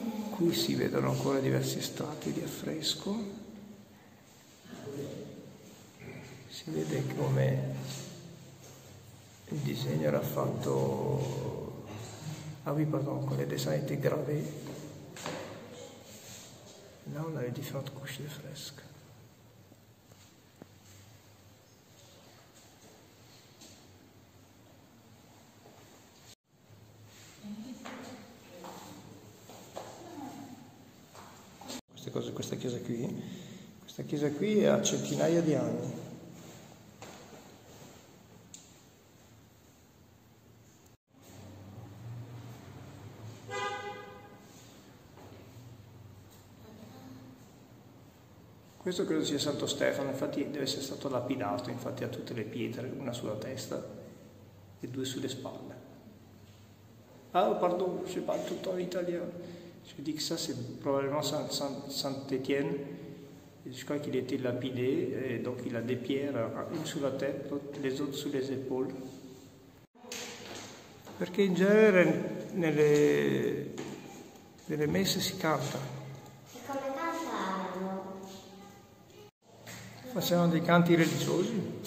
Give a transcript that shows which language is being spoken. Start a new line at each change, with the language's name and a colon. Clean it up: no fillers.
Italian: Qui si vedono ancora diversi strati di affresco. Si vede come il disegno era fatto,
French: ah oui, pardon,
Italian: con le design di gravé.
French: Là on a les différentes couches de fresques.
Italian: Queste cose, questa chiesa qui ha centinaia di anni. Questo credo sia Santo Stefano, infatti deve essere stato lapidato, infatti ha tutte le pietre, una sulla testa e due sulle spalle.
French: Ah, pardon, je parle tout en italien. Je dis que ça c'est probablement Saint-Étienne, je crois qu'il était lapidé, et donc il a des pierres, une
Italian: sulla
French: tête, les autres
Italian: sulle
French: épaules.
Italian: Perché in genere nelle messe si canta. Facevano dei canti religiosi?